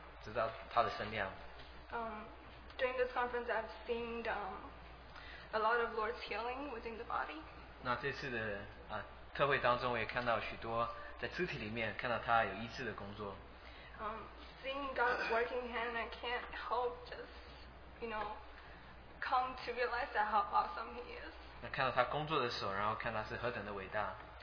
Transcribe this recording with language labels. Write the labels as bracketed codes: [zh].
[en] During this conference, I've seen a lot of Lord's healing within the body. [zh] 那这次的特会当中，我也看到许多在肢体里面看到他有医治的工作。 [en] Seeing God's working hand, I can't help just come to realize that how awesome He is. [zh] 那看到他工作的手，然后看他是何等的伟大。